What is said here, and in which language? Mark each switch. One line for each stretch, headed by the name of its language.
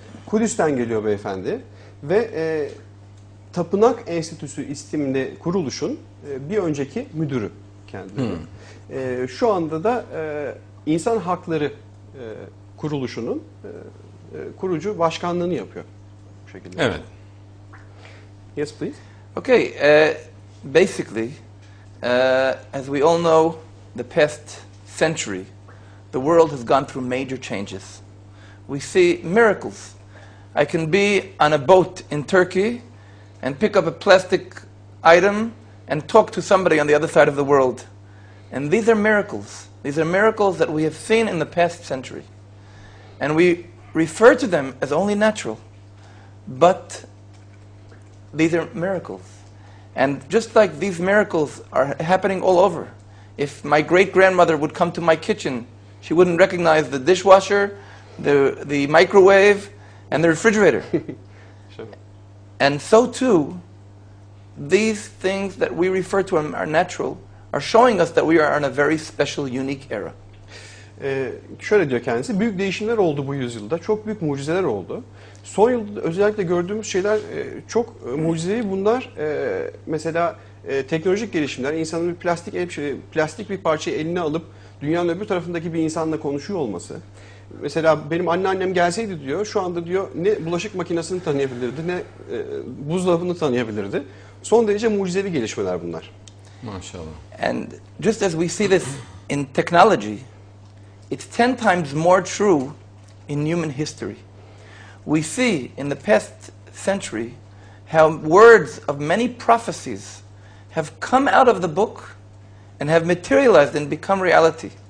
Turkish: Kudüs'ten geliyor beyefendi ve Tapınak Enstitüsü isimli kuruluşun bir önceki müdürü kendisi. Hmm. Şu anda da İnsan Hakları Kuruluşu'nun kurucu başkanlığını yapıyor bu şekilde. Evet.
English: Yes, please. Okay, basically, as we all know, the past century, the world has gone through major changes. We see miracles. I can be on a boat in Turkey and pick up a plastic item and talk to somebody on the other side of the world. And these are miracles. These are miracles that we have seen in the past century. And we refer to them as only natural. But these are miracles. And just like these miracles are happening all over. If my great-grandmother would come to my kitchen, she wouldn't recognize the dishwasher, the microwave and the refrigerator. Sure. And so too, these things that we refer to as are natural are showing us that we are in a very special, unique era.
Turkish: Şöyle diyor kendisi, büyük değişimler oldu bu yüzyılda, çok büyük mucizeler oldu. Son yılda özellikle gördüğümüz şeyler çok mucizevi bunlar. Mesela teknolojik gelişimler, insanın bir plastik bir parçayı eline alıp dünyanın öbür tarafındaki bir insanla konuşuyor olması. Mesela benim anneannem gelseydi diyor, şu anda diyor ne bulaşık makinesini tanıyabilirdi, ne buzdolabını tanıyabilirdi. Son derece mucizevi gelişmeler bunlar. Maşallah.
English: And just as we see this in technology, it's 10 times more true in human history. We see in the past century how words of many prophecies have come out of the book and have materialized and become reality.